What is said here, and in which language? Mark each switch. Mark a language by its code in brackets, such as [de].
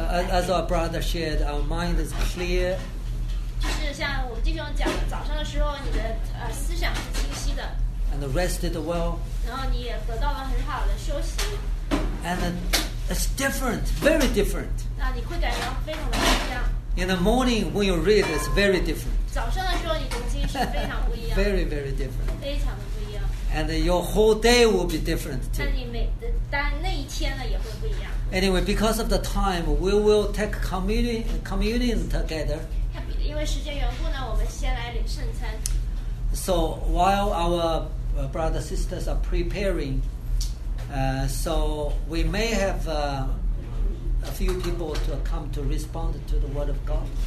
[en] As our brother shared, our mind is clear. [zh] 就是像我们弟兄讲的，早上的时候你的思想是清晰的。 [en] And rested well. [zh] 然后你也得到了很好的休息。 [en] And it's different, very different. [zh] 那你会感到非常的不一样。 [en] In the morning, when you read, it's very different. [zh] 早上的时候你读经是非常不一样。 [en] Very, very different. [zh] 非常的不一样。 [en] And your whole day will be different too. [zh] 但那一天呢也会不一样。 [en] Anyway, because of the time, we will take communion together. [zh] 因为时间缘故呢，我们先来领圣餐。 [en] So while our brothers and sisters are preparing, so we may have a few people to come to respond to the word of God.